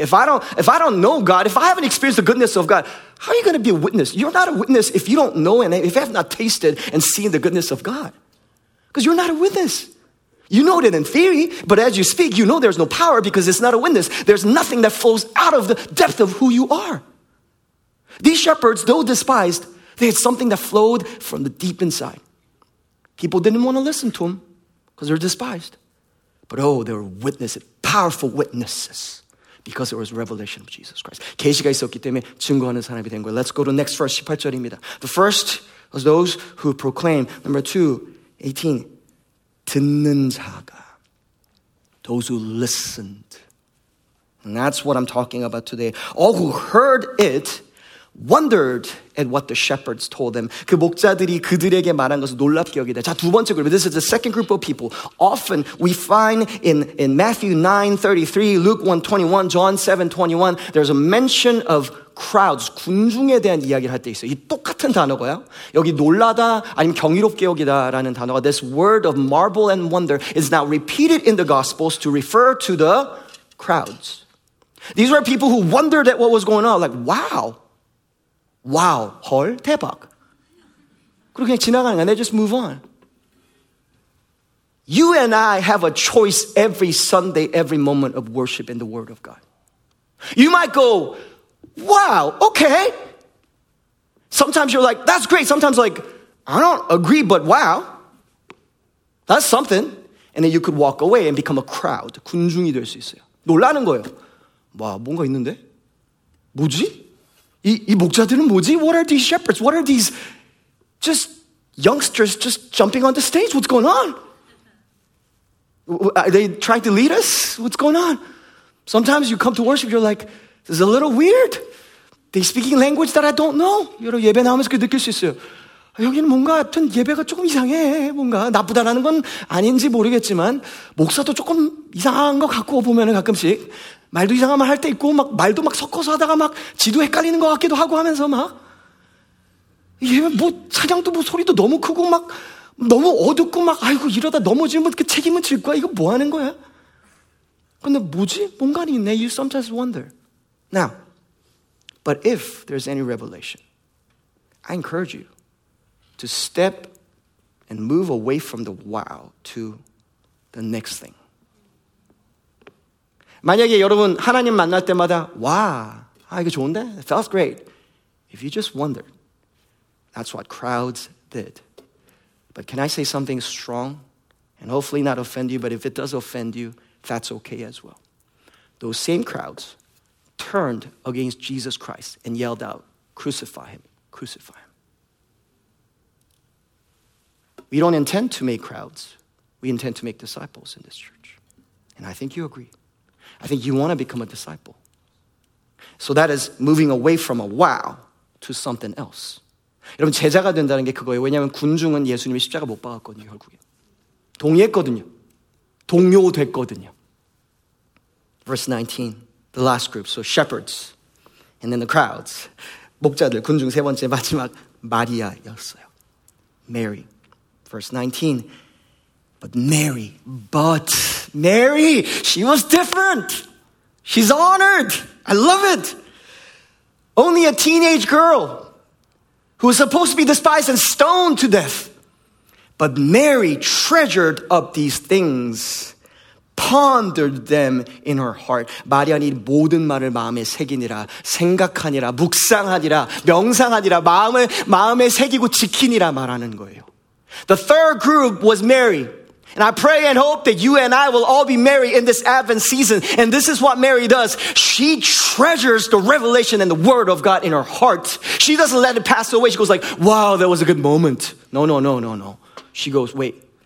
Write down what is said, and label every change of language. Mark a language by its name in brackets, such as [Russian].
[English] If I don't know God, if I haven't experienced the goodness of God, how are you going to be a witness? You're not a witness if you don't know and if you have not tasted and seen the goodness of God. Because you're not a witness. You know it in theory, but as you speak, you know there's no power because it's not a witness. There's nothing that flows out of the depth of who you are. These shepherds, though despised, they had something that flowed from the deep inside. People didn't want to listen to them because they were despised. But oh, they were witnesses, powerful witnesses, because there was revelation of Jesus Christ. [Korean] 계시가 있었기 때문에 증거하는 사람이 된 거예요. [English] Let's go to next verse, [Korean] 18절입니다. [English] The first was those who proclaimed. Number two, 18, [Korean] 듣는 자가, [English] those who listened. And that's what I'm talking about today. All who heard it wondered at what the shepherds told them. [Korean] 그 목자들이 그들에게 말한 것을 놀랍게 여기다. 자, 두 번째 그룹. [English] This is the second group of people. Often we find in Matthew 9:33, Luke 1:21, John 7:21, there's a mention of crowds, [Korean] 군중에 대한 이야기를 할 때 있어요. 이 똑같은 단어고요. 여기 놀라다 아니면 경이롭게 여기다라는 단어가 [English] this word of marvel and wonder is now repeated in the gospels to refer to the crowds. These were people who wondered at what was going on. Like, wow. Wow. [Korean] 헐, 대박. 그리고 그냥 지나가는 거야. [English] They just move on. You and I have a choice every Sunday, every moment of worship in the word of God. You might go, wow, okay. Sometimes you're like, that's great. Sometimes like, I don't agree, but wow. That's something. And then you could walk away and become a crowd. [Korean] 군중이 될 수 있어요. 놀라는 거예요. 와, 뭔가 있는데? 뭐지? 이 목자들은 뭐지? [English] What are these shepherds? What are these just youngsters just jumping on the stage? What's going on? Are they trying to lead us? What's going on? Sometimes you come to worship, you're like, this is a little weird. They speaking language that I don't know. [Korean] 여러분, 예배 나오면서 그 느낄 수 있어요. 여기는 뭔가 하여튼 예배가 조금 이상해. 뭔가 나쁘다라는 건 아닌지 모르겠지만 목사도 조금 이상한 것 같고 보면은 가끔씩 말도 이상한 말 할 때 있고 막 말도 막 섞어서 하다가 막 지도 헷갈리는 것 같기도 하고 하면서 막 예, 뭐 찬양도 뭐 소리도 너무 크고 막 너무 어둡고 막 아이고 이러다 넘어지면 그 책임은 질 거야. 이거 뭐 하는 거야? 근데 뭐지? 뭔가 있네. [English] You sometimes wonder. Now, but if there's any revelation, I encourage you to step and move away from the wow to the next thing. [Korean] 만약에 여러분 하나님 만날 때마다 와, 아 이거 좋은데? [English] It felt great. If you just wondered, that's what crowds did. But can I say something strong and hopefully not offend you, but if it does offend you, that's okay as well. Those same crowds turned against Jesus Christ and yelled out, crucify him, crucify him. We don't intend to make crowds. We intend to make disciples in this church. And I think you agree. I think you want to become a disciple. So that is moving away from a wow to something else. [Korean] 여러분, 제자가 된다는 게 그거예요. 왜냐하면 군중은 예수님이 십자가 못 박았거든요, 결국에. 동의했거든요. 동요됐거든요. [English] Verse 19, the last group. So shepherds and then the crowds. [Korean] 목자들, 군중 세 번째 마지막 마리아였어요. [English] Mary. Verse 19, But Mary, she was different. She's honored. I love it. Only a teenage girl who was supposed to be despised and stoned to death. But Mary treasured up these things, pondered them in her heart. [Korean] 마리아는 모든 말을 마음에 새기니라, 생각하니라, 묵상하니라, 명상하니라, 마음에 새기고 지키니라 말하는 거예요. [English] The third group was Mary. And I pray and hope that you and I will all be Mary in this Advent season. And this is what Mary does. She treasures the revelation and the word of God in her heart. She doesn't let it pass away. She goes like, wow, that was a good moment. No. She goes, wait,